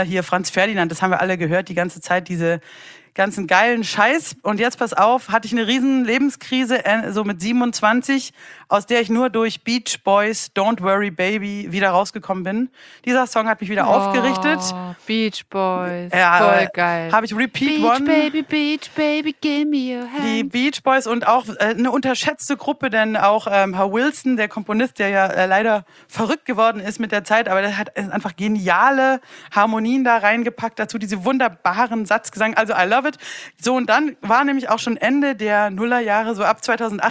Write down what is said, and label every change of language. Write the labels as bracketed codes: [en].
[de] Hier Franz Ferdinand, das haben wir alle gehört die ganze Zeit, diese ganzen geilen Scheiß. Und jetzt pass auf, hatte ich eine riesen Lebenskrise, so mit 27, aus der ich nur durch Beach Boys, Don't Worry Baby, wieder rausgekommen bin. Dieser Song hat mich wieder aufgerichtet. Beach Boys, ja, voll geil. Habe ich Repeat Beach One. [en] Beach Baby, give me your hand. [de] Die Beach Boys und auch eine unterschätzte Gruppe, denn auch Herr Wilson, der Komponist, der ja leider verrückt geworden ist mit der Zeit, aber der hat einfach geniale Harmonien da reingepackt, dazu diese wunderbaren Satzgesang, also [en] I love it. [de] So, und dann war nämlich auch schon Ende der Nullerjahre, so ab 2008.